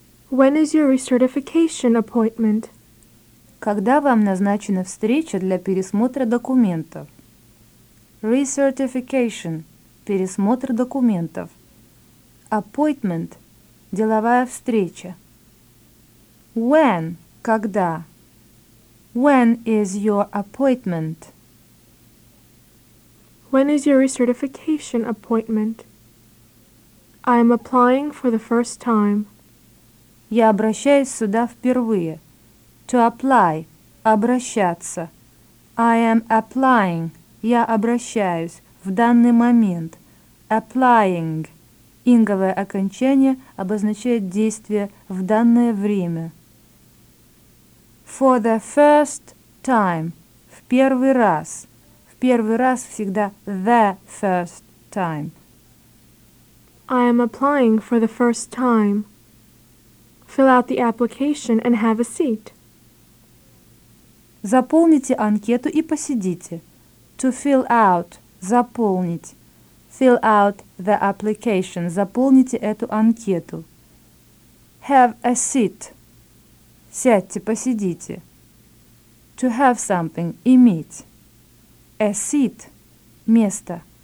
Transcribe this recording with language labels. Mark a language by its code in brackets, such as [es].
[en] When is your recertification appointment? [ru] Когда вам назначена встреча для пересмотра документов? Recertification – пересмотр документов. Appointment – деловая встреча. When – когда? [en] When is your appointment? When is your recertification appointment? I am applying for the first time. [ru] Я обращаюсь сюда впервые. [en] To apply – обращаться. I am applying [ru] – я обращаюсь в данный момент. Applying – инговое окончание обозначает действие в данное время. [en] For the first time – [ru] в первый раз. В первый раз всегда [en] the first time. I am applying for the first time. Fill out the application and have a seat. [ru] Заполните анкету и посидите. [en] To fill out – заполнить. Fill out the application – [ru] заполните эту анкету. [en] Have a seat – [ru] сядьте, посидите. [en] To have something – иметь. A seat – место.